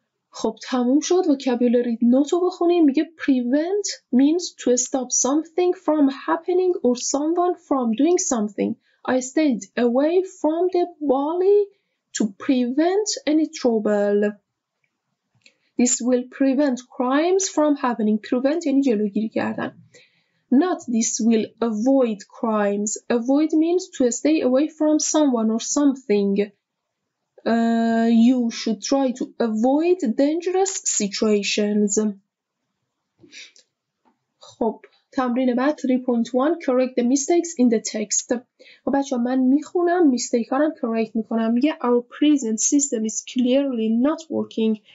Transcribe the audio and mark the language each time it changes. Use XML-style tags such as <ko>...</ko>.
<fa>خب تموم شد. وکابولری نوتو بخونیم. میگه</fa> <en>prevent means to stop something from happening or someone from doing something. I stayed away from the bully to prevent any trouble. This will prevent crimes from happening.</en> <fa>Prevent یعنی جلوگیری کردن.</fa> <en>Not this will avoid crimes. Avoid means to stay away from someone or something. You should try to avoid dangerous situations.</en> <fa>خب تمرین بعد</fa> <en>3.1 correct the mistakes in the text.</en> <fa>خب بچه ها من میخونم mistake هارم correct میکنم.</fa> <en>Yeah, our prison system is clearly not working.</en>